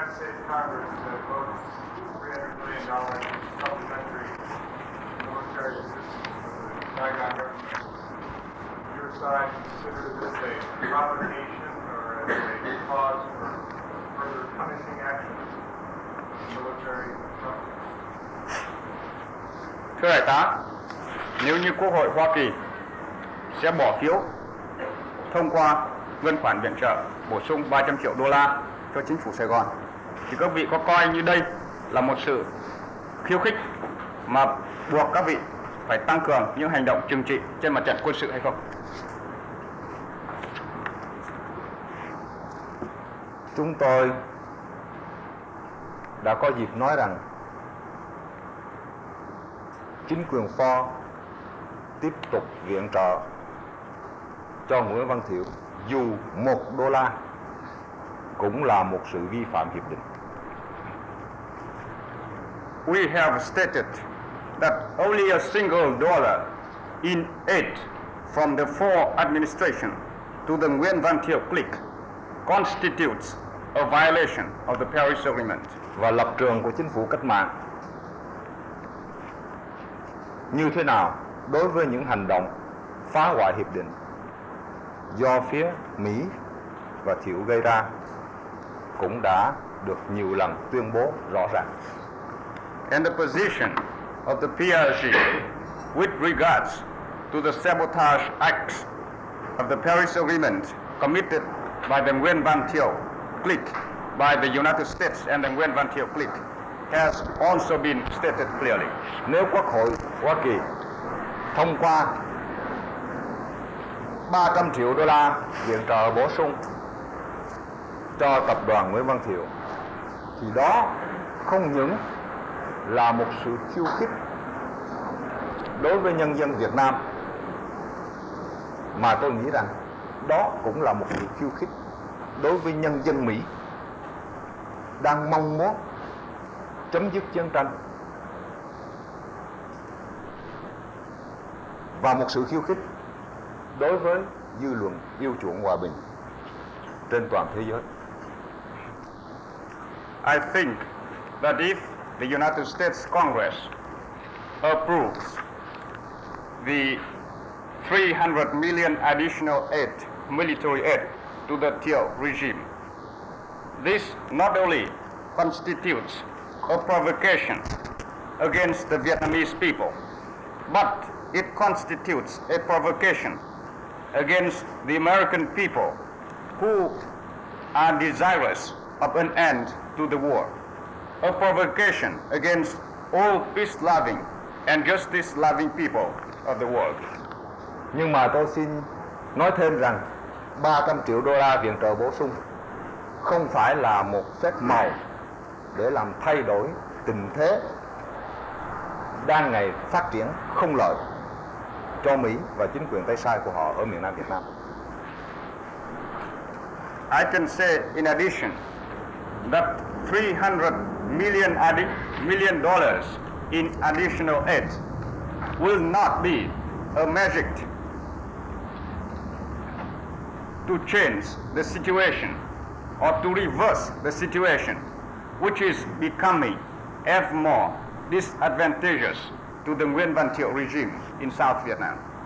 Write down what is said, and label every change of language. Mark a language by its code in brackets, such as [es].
[en] United States Congress votes $300 million in supplementary military assistance for the Saigon government, your side considers this a provocation or as a cause for further punishing actions of military government? [vi] Thưa đại tá, nếu như Quốc hội Hoa Kỳ sẽ bỏ phiếu thông qua ngân khoản viện trợ bổ sung 300 triệu đô la cho chính phủ Sài Gòn, thì các vị có coi như đây là một sự khiêu khích mà buộc các vị phải tăng cường những hành động trừng trị trên mặt trận quân sự hay không? Chúng tôi đã có dịp nói rằng chính quyền Pho tiếp tục viện trợ cho Nguyễn Văn Thiệu dù một đô la cũng là một sự vi phạm hiệp định. [en] We have stated that only a single dollar in aid from the Pho administration to the Nguyễn Văn Thiệu clique constitutes a violation of the Paris Agreement. [vi] Và lập trường của chính phủ cách mạng như thế nào đối với những hành động phá hoại hiệp định do phía Mỹ và Thiệu gây ra cũng đã được nhiều lần tuyên bố rõ ràng. [en] And the position of the PRG with regards to the sabotage acts of the Paris Agreement committed by the Nguyễn Văn Thiệu clique, by the United States and the Nguyễn Văn Thiệu clique, has also been stated clearly. [vi] Nếu Quốc hội Hoa Kỳ thông qua 300 triệu đô la viện trợ bổ sung cho tập đoàn Nguyễn Văn Thiệu, thì đó không những là một sự khiêu khích đối với nhân dân Việt Nam, mà tôi nghĩ rằng đó cũng là một sự khiêu khích đối với nhân dân Mỹ đang mong muốn chấm dứt chiến tranh, và một sự khiêu khích đối với dư luận yêu chuộng hòa bình trên toàn thế giới. [en] I think that if the United States Congress approves the $300 million additional aid, military aid, to the Thiệu regime, this not only constitutes a provocation against the Vietnamese people, but it constitutes a provocation against the American people who are desirous of an end to the war, a provocation against all peace-loving and justice-loving people of the world. [vi] Nhưng mà tôi xin nói thêm rằng 300 triệu đô la viện trợ bổ sung không phải là một phép màu để làm thay đổi tình thế đang ngày phát triển không lợi cho Mỹ và chính quyền tay sai của họ ở miền Nam Việt Nam. [en] I can say in addition that $300 million in additional aid will not be a magic to change the situation or to reverse the situation, which is becoming ever more disadvantageous to the Nguyen Van Thieu regime in South Vietnam.